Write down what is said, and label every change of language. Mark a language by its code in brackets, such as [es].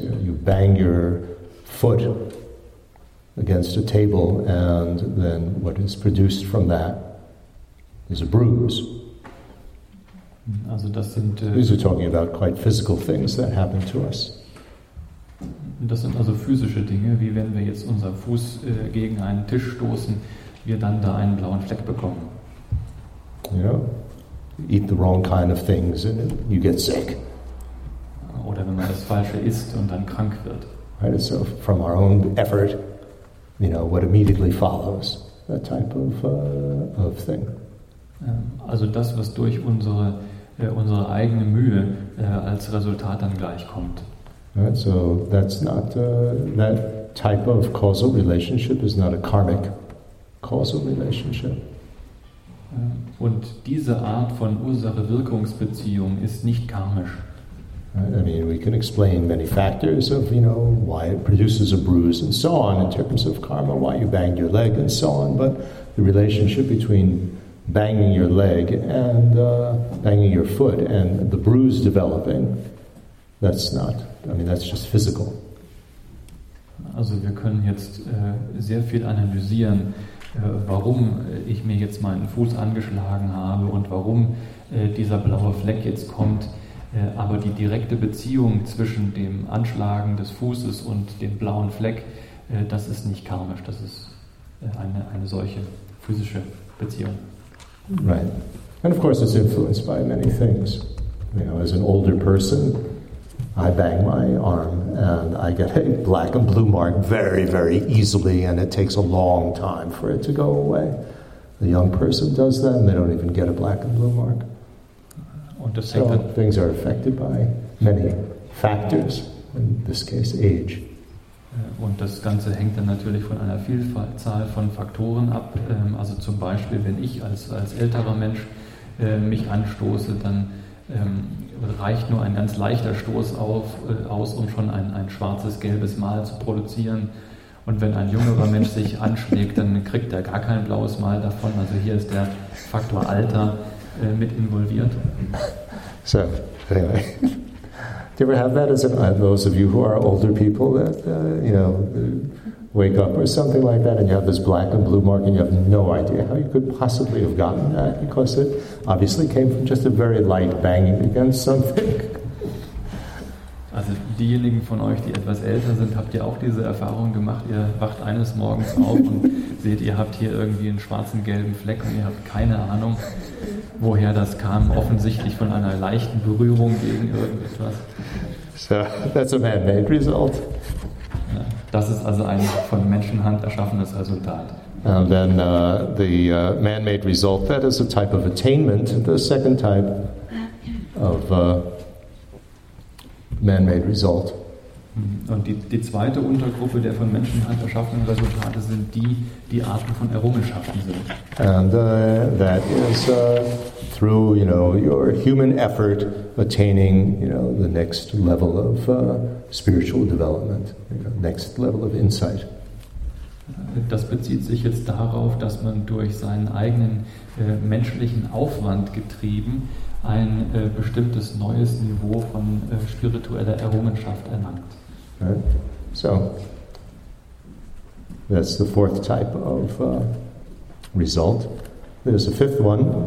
[en] You bang your foot against a table, and then what is produced from that is a bruise. [de] Also das sind, [en] these are talking about quite physical things that happen to us. [de] Das sind also physische Dinge, wie wenn wir jetzt unser Fuß gegen einen Tisch stoßen, wir dann da einen blauen Fleck bekommen. [en] You eat the wrong kind of things and you get sick. [de] Oder wenn man das Falsche isst und dann krank wird. [en] Right, so from our own effort, what immediately follows, that type of thing. [de] Also das, was durch unsere eigene Mühe als Resultat dann gleich kommt. [en] Right, so that's not that type of causal relationship is not a karmic causal relationship. [de] Und diese Art von Ursache-Wirkungsbeziehung ist nicht karmisch. [en] We can explain many factors of, why it produces a bruise and so on in terms of karma, why you banged your leg and so on, but the relationship between banging your leg and banging your foot and the bruise developing, that's not, that's just physical. [de] Also wir können jetzt sehr viel analysieren, warum ich mir jetzt meinen Fuß angeschlagen habe und warum dieser blaue Fleck jetzt kommt. Aber die direkte Beziehung zwischen dem Anschlagen des Fußes und dem blauen Fleck, das ist nicht karmisch, das ist eine solche physische Beziehung. [en] Right. And of course, it's influenced by many things. You know, as an older person, I bang my arm and I get a black and blue mark very, very easily, and it takes a long time for it to go away. The young person does that and they don't even get a black and blue mark. Or to say so that things are affected by many factors, in this case age. [de] Und das Ganze hängt dann natürlich von einer Vielzahl von Faktoren ab. Also zum Beispiel, wenn ich als älterer Mensch mich anstoße, dann reicht nur ein ganz leichter Stoß aus, um schon ein schwarzes, gelbes Mal zu produzieren. Und wenn ein jüngerer Mensch sich anschlägt, dann kriegt er gar kein blaues Mal davon. Also hier ist der Faktor Alter mit involviert. [en] So, anyway. Do you ever have that as those of you who are older people that, you know, wake up or something like that and you have this black and blue mark and you have no idea how you could possibly have gotten that because it obviously came from just a very light banging against something? [de] Also diejenigen von euch, die etwas älter sind, habt ihr auch diese Erfahrung gemacht? Ihr wacht eines Morgens auf und seht, ihr habt hier irgendwie einen schwarzen, gelben Fleck und ihr habt keine Ahnung, woher das kam. Offensichtlich von einer leichten Berührung gegen irgendetwas. [en] So, that's a man-made result. [de] Das ist also ein von Menschenhand erschaffenes Resultat. [en] And then the man-made result, that is a type of attainment, the second type of man-made result. [de] Und die zweite Untergruppe der von Menschenhand erschaffenen Resultate sind die Arten von Errungenschaften sind. [en] And that is through, you know, your human effort attaining, you know, the next level of spiritual development, you know, next level of insight. [de] Das bezieht sich jetzt darauf, dass man durch seinen eigenen menschlichen Aufwand getrieben ein bestimmtes neues Niveau von spiritueller Errungenschaft erlangt. [en] Right. So, that's the fourth type of result. There's a fifth one.